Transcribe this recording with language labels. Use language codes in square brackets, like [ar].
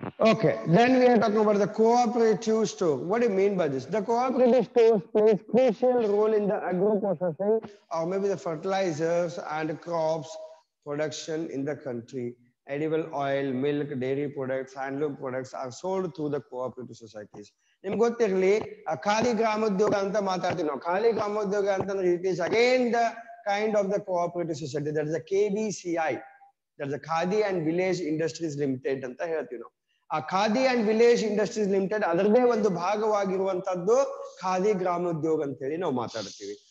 [en] Okay, then we are talking about the cooperative store. What you mean by this? The cooperative store plays crucial role in the agro processing or may be the fertilisers and crops production in the country. Edible oil, milk, dairy products, handloom products are sold through the cooperative societies. [kn] ನಿಮ್ಗೆ ಗೊತ್ತಿರಲಿ ಖಾಲಿ ಗ್ರಾಮೋದ್ಯೋಗ ಅಂತ ಮಾತಾಡ್ತೀವಿ ನಾವು. ಖಾಲಿ ಗ್ರಾಮೋದ್ಯೋಗ ಅಂತಂದ್ರೆ [en] It is again the kind of the cooperative society. That is a KVCI, that is a Khadi and village industries limited [kn] ಅಂತ ಹೇಳ್ತೀವಿ ನಾವು. ಆ khadi and village industries limited ಅದರದೇ ಒಂದು ಭಾಗವಾಗಿರುವಂತದ್ದು ಖಾದಿ ಗ್ರಾಮೋದ್ಯೋಗ ಅಂತೇಳಿ ನಾವು ಮಾತಾಡ್ತೀವಿ.